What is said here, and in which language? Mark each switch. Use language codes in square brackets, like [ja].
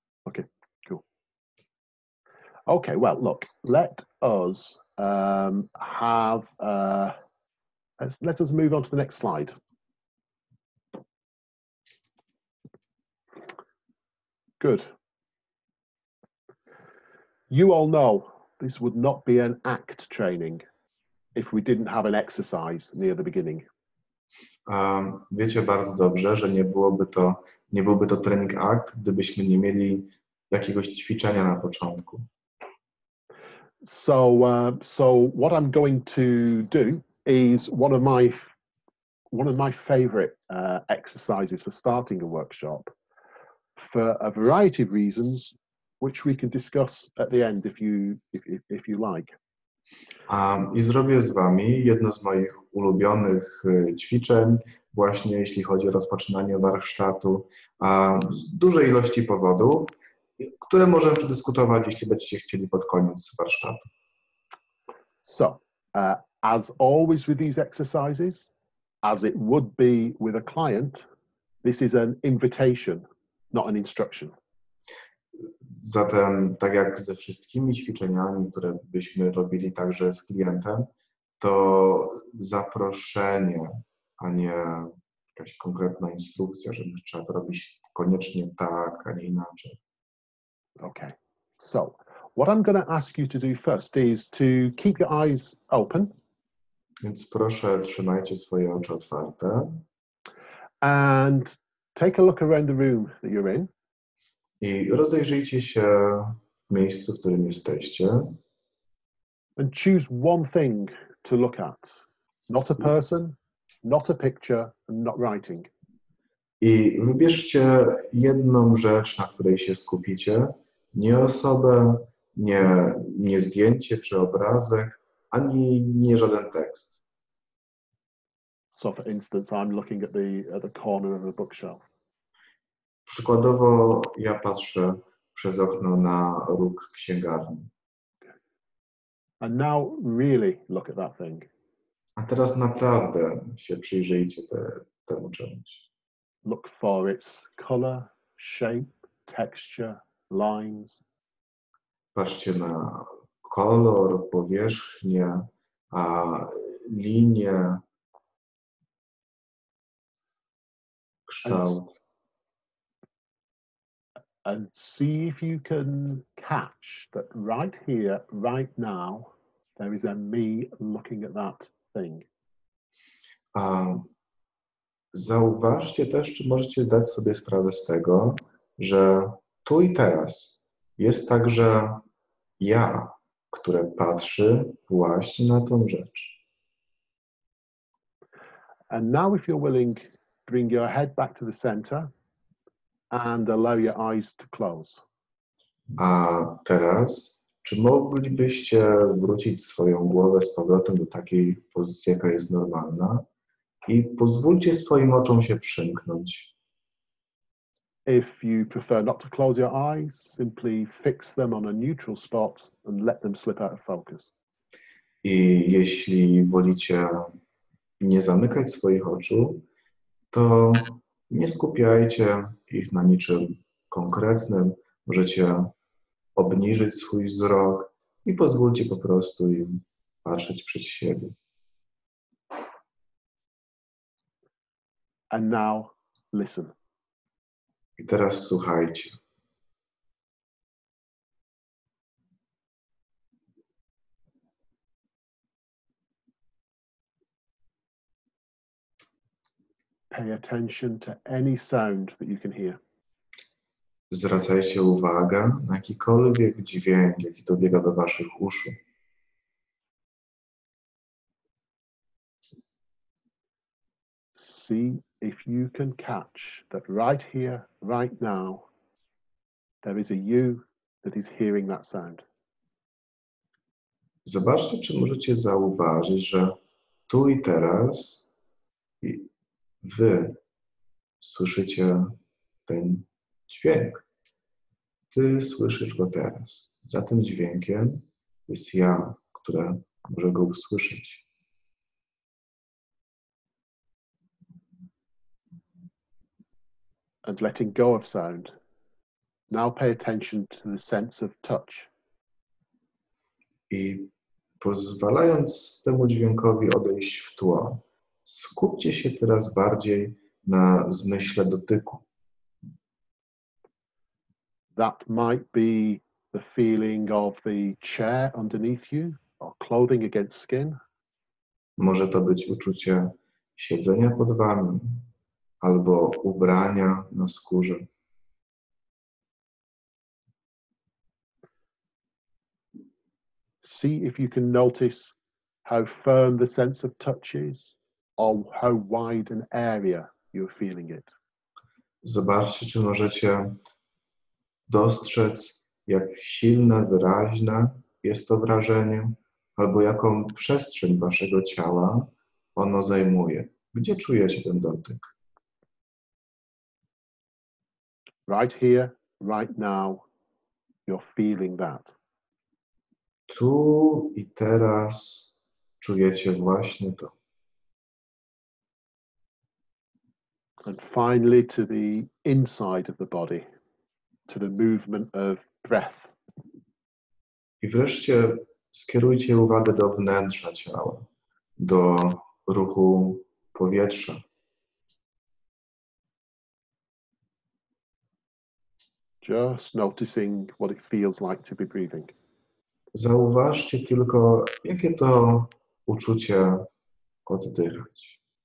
[en] Okay, cool. Okay, well, look, let us let us move on to the next slide. Good. You all know this would not be an ACT training if we didn't have an exercise near the beginning. [pl] Wiecie bardzo dobrze, że nie byłby to trening ACT, gdybyśmy nie mieli jakiegoś ćwiczenia na początku. [en] So what I'm going to do is one of my favorite exercises for starting a workshop. For a variety of reasons, which we can discuss at the end if you like. [pl] I zrobię z wami jedno z moich ulubionych ćwiczeń, właśnie jeśli chodzi o rozpoczynanie warsztatu, z dużej ilości powodów, które możemy przedyskutować, jeśli będziecie chcieli pod koniec warsztatu. [en] So, as always with these exercises, as it would be with a client, this is an invitation. Not an instruction. [pl] Zatem, tak jak ze wszystkimi ćwiczeniami, które byśmy robili także z klientem, to zaproszenie, a nie jakaś konkretna instrukcja, żeby trzeba to robić koniecznie tak, a nie inaczej. [en] Okay. So, what I'm going to ask you to do first is to keep your eyes open. [pl] Więc proszę, trzymajcie swoje oczy otwarte. [en] And take a look around the room that you're in. [pl] I rozejrzyjcie się w miejscu, w którym jesteście. [en] And choose one thing to look at. Not a person, not a picture, not writing. [pl] I wybierzcie jedną rzecz, na której się skupicie. Nie osobę, nie zdjęcie czy obrazek, ani nie żaden tekst. [en] So for instance, I'm looking at the corner of a bookshelf. [pl] Przykładowo ja patrzę przez okno na róg księgarni. [en] And now really look at that thing. [pl] A teraz naprawdę się przyjrzyjcie temu czemuś. [en] Look for its color, shape, texture, lines. [pl] Patrzcie na kolor, powierzchnię, a linie. [en] And see if you can catch that right here, right now, there is a me looking at that thing. [pl] Zauważcie też, czy możecie zdać sobie sprawę z tego, że tu i teraz jest także ja, które patrzy właśnie na tą rzecz. [en] And now if you're willing, bring your head back to the center and allow your eyes to close. [pl] A teraz, czy moglibyście wrócić swoją głowę z powrotem do takiej pozycji, jaka jest normalna, i pozwólcie swoim oczom się przymknąć. [en] If you prefer not to close your eyes, simply fix them on a neutral spot and let them slip out of focus. [pl] I jeśli wolicie nie zamykać swoich oczu, to nie skupiajcie ich na niczym konkretnym. Możecie obniżyć swój wzrok i pozwólcie po prostu im patrzeć przed siebie. [en] And now listen. [pl] I teraz słuchajcie. [en] Pay attention to any sound that you can hear. [pl] Zwracajcie uwagę na jakikolwiek dźwięk, jaki dobiega do waszych uszu. S- [en] see if you can catch that right here, right now, there is a you that is hearing that sound. [pl] Zobaczcie, czy możecie zauważyć, że tu i teraz wy słyszycie ten dźwięk. Ty słyszysz go teraz. Za tym dźwiękiem jest ja, które może go usłyszeć. [en] And letting go of sound. Now pay attention to the sense of touch. [pl] I pozwalając temu dźwiękowi odejść w tło, skupcie się teraz bardziej na zmyśle dotyku. [en] That might be the feeling of the chair underneath you, or clothing against skin. [pl] Może to być uczucie siedzenia pod wami, albo ubrania na skórze. [en] See if you can notice how firm the sense of touch is, or how wide an area you're feeling it. [pl] Zobaczcie, czy możecie dostrzec, jak silne, wyraźne jest to wrażenie, albo jaką przestrzeń waszego ciała ono zajmuje. Gdzie czujecie ten dotyk? [en] Right here, right now, you're feeling that. [pl] Tu i teraz czujecie właśnie to. [en] And finally to the inside of the body, to the movement of breath. [pl] I wreszcie skierujcie uwagę do wnętrza ciała, do ruchu powietrza. [en] Just noticing what it feels like to be breathing. [pl] Zauważcie tylko, jakie to uczucie oddychać.